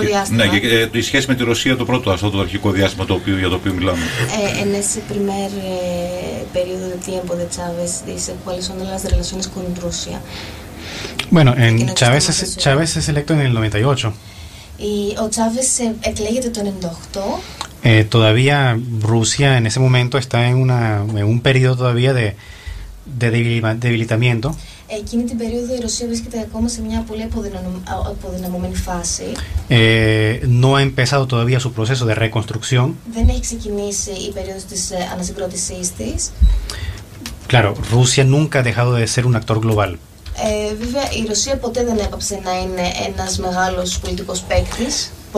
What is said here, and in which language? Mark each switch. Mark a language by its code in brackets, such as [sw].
[el] Ναι, η σχέση με τη Ρωσία το πρώτο, αυτό το αρχικό διάστημα για το οποίο μιλάμε. [es] En ese primer periodo de tiempo de Chávez, dice, ¿cuáles son las relaciones con Rusia? Bueno, Chávez es electo en el 98. Y o Chávez se elige de 98. Todavía Rusia en ese momento está en un periodo todavía de debilitamiento. [el] Εκείνη την περίοδο η Ρωσία βρίσκεται ακόμα σε μια πολύ αποδυναμωμένη φάση. [es] No ha empezado todavía su proceso de reconstrucción. [el] Δεν έχει ξεκινήσει η περίοδο της ανασυγκρότησής της. [es] Claro, Rusia nunca ha dejado de ser un actor global. [el] Βέβαια, η Ρωσία ποτέ δεν έπαψε να είναι ένας μεγάλος πολιτικός παίκτης.